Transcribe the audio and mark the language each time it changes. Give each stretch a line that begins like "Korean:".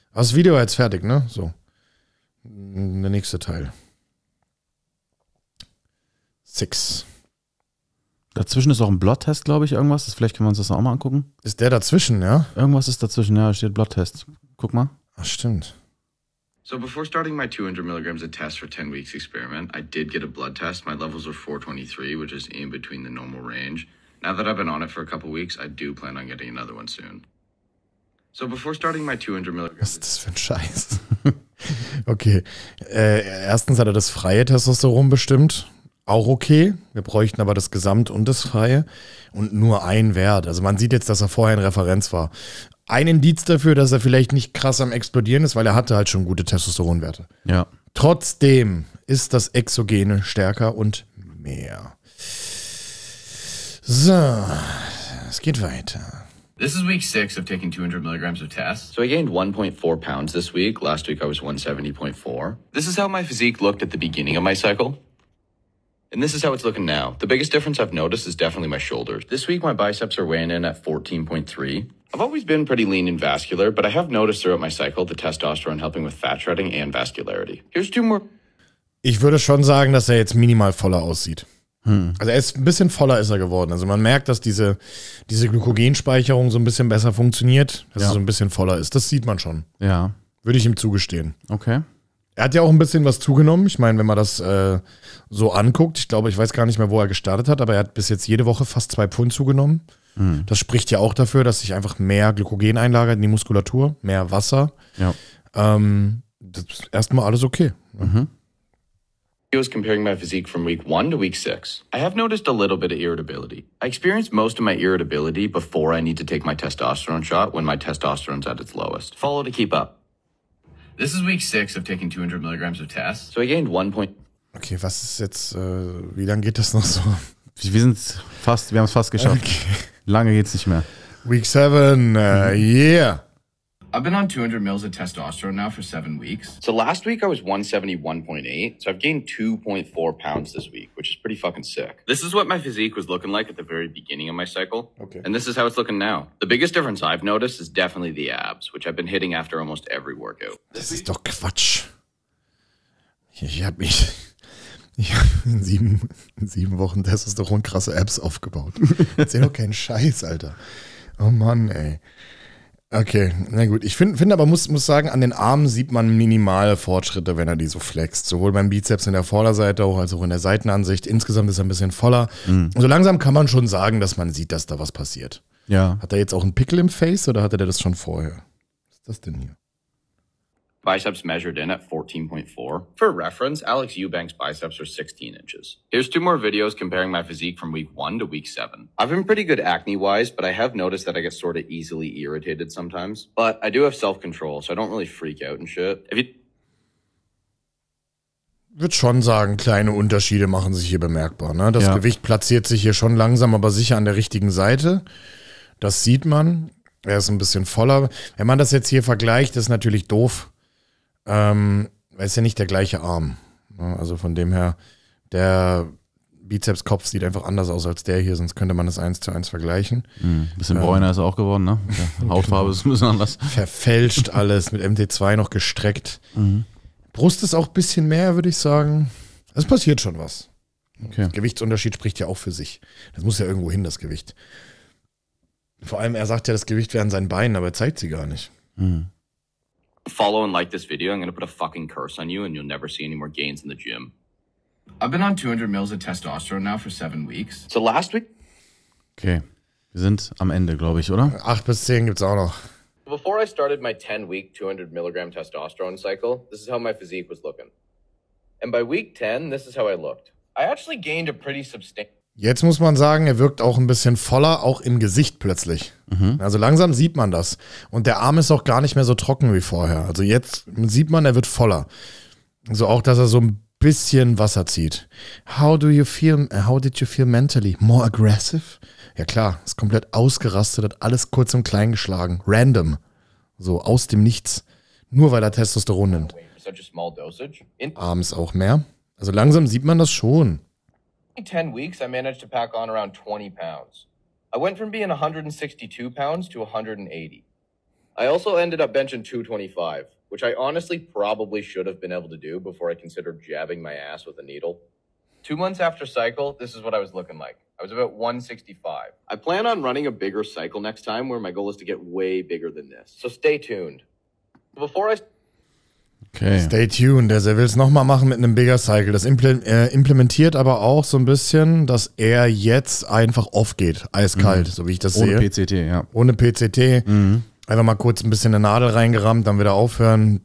German: Das Video war jetzt fertig, ne? So. Der nächste Teil.
English: Six.
German: Dazwischen ist auch ein Bloodtest, glaube ich, irgendwas. Das, vielleicht können wir uns das auch mal angucken. Ist der dazwischen, ja? Irgendwas ist dazwischen, ja, da steht Bloodtest. Guck mal. Ach, stimmt.
English: So before starting my 200 milligrams of test for 10 weeks experiment, I did get a blood test. My levels are 423, which is in between the normal range. Now that I've been on it for a couple weeks, I do plan on getting another one soon. So before starting my 200 milligrams...
German: Was ist das für ein Scheiß? Okay. Erstens hat er das freie Testosteron bestimmt. Auch okay. Wir bräuchten aber das Gesamt- und das Freie. Und nur ein Wert. Also man sieht jetzt, dass er vorher in Referenz war. Ein Indiz dafür, dass er vielleicht nicht krass am Explodieren ist, weil er hatte halt schon gute Testosteronwerte. Ja. Trotzdem ist das Exogene stärker und mehr. So, es geht weiter.
English: This is week 6 of taking 200 milligrams of test. So I gained 1.4 pounds this week. Last week I was 170.4. This is how my physique looked at the beginning of my cycle. And this is how it's looking now. The biggest difference I've noticed is definitely my shoulders. This week, my biceps are weighing in at 14.3. I've always been pretty lean and vascular, but I have noticed throughout my cycle the testosterone helping with fat shredding and vascularity. Here's two more.
German: Ich würde schon sagen, dass er jetzt minimal voller aussieht. Hm. Also er ist ein bisschen voller ist er geworden. Also man merkt, dass diese Glykogenspeicherung so ein bisschen besser funktioniert, dass er so ein bisschen voller ist. Das sieht man schon. Ja. Würde ich ihm zugestehen. Okay. Er hat ja auch ein bisschen was zugenommen. Ich meine, wenn man das so anguckt, ich glaube, ich weiß gar nicht mehr, wo er gestartet hat, aber er hat bis jetzt jede Woche fast 2 Pfund zugenommen. Mhm. Das spricht ja auch dafür, dass sich einfach mehr Glykogen einlagert in die Muskulatur, mehr Wasser. Ja. Das ist erstmal alles okay.
English: Mhm. I was comparing my physique from week 1 to week 6. I have noticed a little bit of irritability. I experienced most of my irritability before I need to take my testosterone shot, when my testosterone's at its lowest. Follow to keep up. This is week 6 of taking 200 milligrams of test. So I gained 1 point.
German: Okay, was ist jetzt, wie lange geht das noch so? Wir sind fast, wir haben es fast geschafft. Okay. Lange geht's nicht mehr.
English: Week 7, yeah. I've been on 200 mils of testosterone now for 7 weeks. So last week I was 171.8, so I've gained 2.4 pounds this week, which is pretty fucking sick. This is what my physique was looking like at the very beginning of my cycle. Okay. And this is how it's looking now. The biggest difference I've noticed is definitely the abs, which I've been hitting after almost every workout.
German: Das ist doch Quatsch. Ich hab in sieben Wochen Testosteron krasse Abs aufgebaut. Erzähl doch keinen Scheiß, Alter. Oh Mann, ey. Okay, na gut. Ich finde aber, muss sagen, an den Armen sieht man minimale Fortschritte, wenn er die so flext. Sowohl beim Bizeps in der Vorderseite auch, als auch in der Seitenansicht. Insgesamt ist er ein bisschen voller. Mhm. So langsam kann man schon sagen, dass man sieht, dass da was passiert. Ja. Hat er jetzt auch einen Pickel im Face oder hatte der das schon vorher? Was ist das denn hier?
English: Biceps measured in at 14.4. For reference, Alex Eubanks' biceps are 16 inches. Here's two more videos comparing my physique from week 1 to week 7. I've been pretty good acne-wise, but I have noticed that I get sort of easily irritated sometimes. But I do have self-control, so I don't really freak out and shit. If you...
German: würde schon sagen, kleine Unterschiede machen sich hier bemerkbar. Ne? Das Gewicht platziert sich hier schon langsam, aber sicher an der richtigen Seite. Das sieht man. Er ist ein bisschen voller. Wenn man das jetzt hier vergleicht, ist natürlich doof. Ist ja nicht der gleiche Arm. Also von dem her, der Bizepskopf sieht einfach anders aus als der hier, sonst könnte man das 1:1 vergleichen. Ein bisschen bräuner ist er auch geworden, ne? Ja, Hautfarbe ist ein bisschen anders. Verfälscht alles, mit MT2 noch gestreckt. Mhm. Brust ist auch ein bisschen mehr, würde ich sagen. Es passiert schon was. Okay. Der Gewichtsunterschied spricht ja auch für sich. Das muss ja irgendwo hin, das Gewicht. Vor allem, er sagt ja, das Gewicht wäre an seinen Beinen, aber er zeigt sie gar nicht. Mhm.
English: Follow and like this video, I'm gonna put a fucking curse on you and you'll never see any more gains in the gym. I've been on 200 mils of testosterone now for 7 weeks. So last week?
German: Okay, wir sind am Ende, glaube ich, oder? 8 bis 10 gibt's auch noch. Before I started my 10-week 200 milligram testosterone cycle, this is how my physique was looking. And by week 10, this is how I looked. I actually gained a pretty substantial... Jetzt muss man sagen, er wirkt auch ein bisschen voller, auch im Gesicht plötzlich. Mhm. Also langsam sieht man das. Und der Arm ist auch gar nicht mehr so trocken wie vorher. Also jetzt sieht man, er wird voller. Also auch, dass er so ein bisschen Wasser zieht.
English: How did you feel mentally? More aggressive?
German: Ja klar, ist komplett ausgerastet, hat alles kurz und klein geschlagen. Random. So aus dem Nichts. Nur weil er Testosteron nimmt.
English: Such a small dosage.
German: Arm ist auch mehr. Also langsam sieht man das schon.
English: In 10 weeks I managed to pack on around 20 pounds. I went from being 162 pounds to 180. I also ended up benching 225, which I honestly probably should have been able to do before I considered jabbing my ass with a needle. 2 months after cycle, this is what I was looking like. I was about 165. I plan on running a bigger cycle next time where my goal is to get way bigger than this. So stay tuned. Before I... Okay. Stay tuned,
German: also er will es nochmal machen mit einem Bigger Cycle. Das implementiert aber auch so ein bisschen, dass er jetzt einfach off geht, eiskalt, so wie ich das sehe. Ohne PCT, ja. Ohne PCT, einfach mal kurz ein bisschen eine Nadel reingerammt, dann wieder aufhören.